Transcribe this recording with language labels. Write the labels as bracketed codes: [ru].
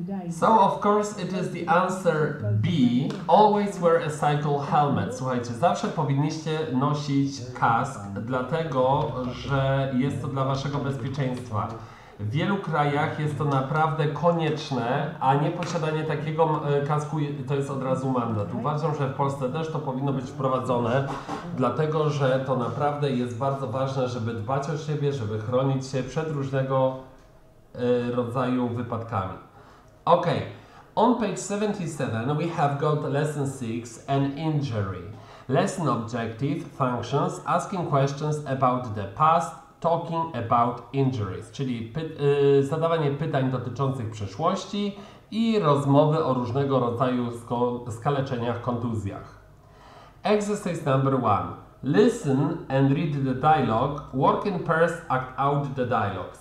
[en] So of course it is the answer B. Always wear a cycle helmet. [pl] Słuchajcie, zawsze powinniście nosić kask, dlatego że jest to dla waszego bezpieczeństwa. W wielu krajach jest to naprawdę konieczne, a nie posiadanie takiego kasku to jest od razu mandat. Uważam, że w Polsce też to powinno być wprowadzone, dlatego że to naprawdę jest bardzo ważne, żeby dbać o siebie, żeby chronić się przed różnego rodzaju wypadkami. [en] Ok, on page 77 we have got lesson 6, an injury. Lesson objective, functions, asking questions about the past, talking about injuries, [pl] czyli zadawanie pytań dotyczących przeszłości i rozmowy o różnego rodzaju skaleczeniach, kontuzjach. [en] Exercise number 1. Listen and read the dialogue. Work in pairs, act out the dialogue.